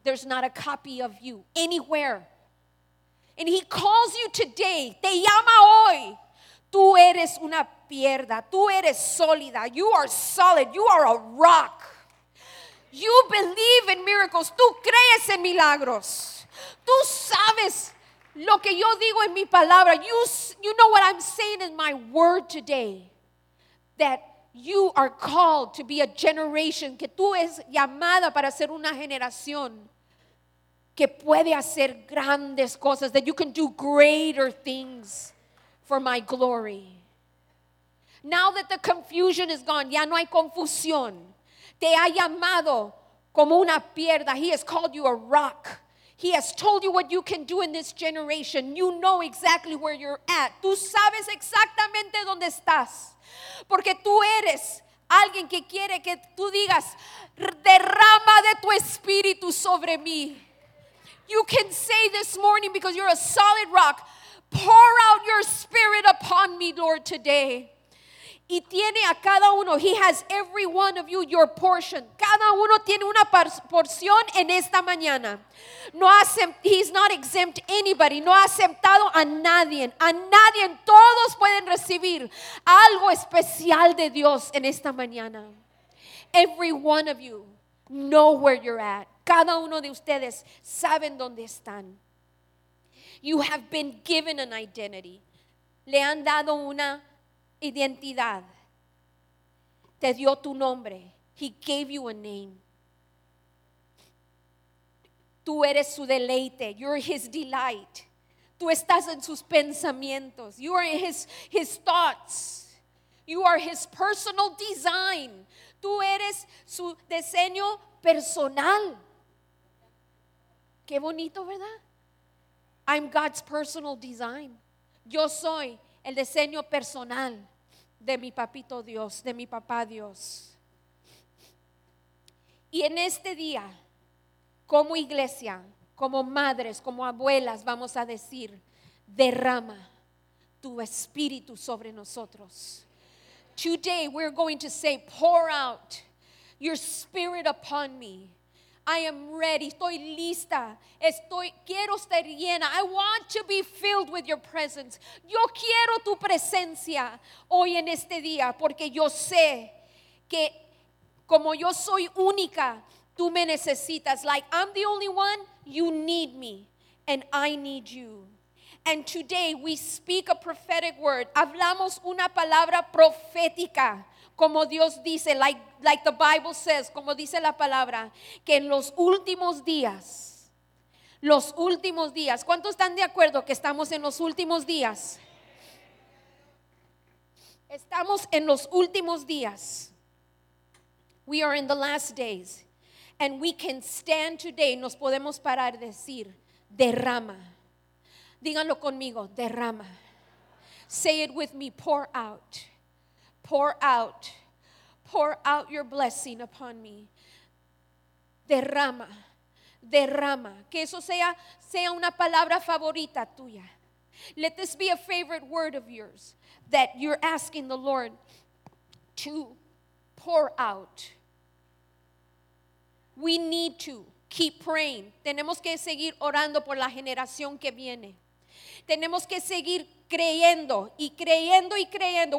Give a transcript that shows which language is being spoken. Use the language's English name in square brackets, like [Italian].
[English] There's not a copy of you anywhere. And he calls you today. [Spanish] Te llama hoy. Tú eres una piedra. Tú eres sólida. [English] You are solid. You are a rock. You believe in miracles. [Spanish] Tú crees en milagros. Tú sabes lo que yo digo en mi palabra. [English] You know what I'm saying in my word today. That you are called to be a generation. [Spanish] Que tú es llamada para ser una generación. Que puede hacer grandes cosas. [English] That you can do greater things. For my glory. Now that the confusion is gone, [Spanish] ya no hay confusión. Te ha llamado como una piedra. [English] He has called you a rock. He has told you what you can do in this generation. You know exactly where you're at. [Spanish] Tú sabes exactamente dónde estás. Porque tú eres alguien que quiere que tú digas, derrama de tu espíritu sobre mí. [English] You can say this morning because you're a solid rock. Pour out your spirit upon me, Lord, today. [Spanish] Y tiene a cada uno. [English] He has every one of you your portion. [Spanish] Cada uno tiene una porción en esta mañana. [English] He's not exempt anybody. [Spanish] No ha aceptado a nadie. A nadie. Todos pueden recibir algo especial de Dios en esta mañana. [English] Every one of you know where you're at. [Spanish] Cada uno de ustedes saben dónde están. [English] You have been given an identity. [Spanish] Le han dado una identidad. Te dio tu nombre. [English] He gave you a name. [Spanish] Tú eres su deleite. [English] You're his delight. [Spanish] Tú estás en sus pensamientos. [English] You are his thoughts. You are his personal design. [Spanish] Tú eres su diseño personal. Qué bonito, ¿verdad? [English] I'm God's personal design. [Spanish] Yo soy el diseño personal de mi papito Dios, de mi papá Dios. Y en este día, como iglesia, como madres, como abuelas, vamos a decir, derrama tu espíritu sobre nosotros. [English] Today we're going to say, pour out your spirit upon me. I am ready. [Spanish] Estoy lista. Estoy, quiero estar llena. [English] I want to be filled with your presence. [Spanish] Yo quiero tu presencia hoy en este día porque yo sé que como yo soy única, tú me necesitas. [English] Like I'm the only one, you need me and I need you. And today we speak a prophetic word. [Spanish] Hablamos una palabra profética. Como Dios dice, [English] like the Bible says, [Spanish] como dice la palabra, que en los últimos días, ¿cuántos están de acuerdo que estamos en los últimos días? Estamos en los últimos días. [English] We are in the last days. And we can stand today, [Spanish] nos podemos parar y decir, Derrama. Díganlo conmigo, derrama. [English] Say it with me, pour out. Pour out. Pour out your blessing upon me. [Spanish] Derrama. Derrama. Que eso sea una palabra favorita tuya. [English] Let this be a favorite word of yours that you're asking the Lord to pour out. We need to keep praying. [Spanish] Tenemos que seguir orando por la generación que viene. Tenemos que seguir creyendo y creyendo y creyendo.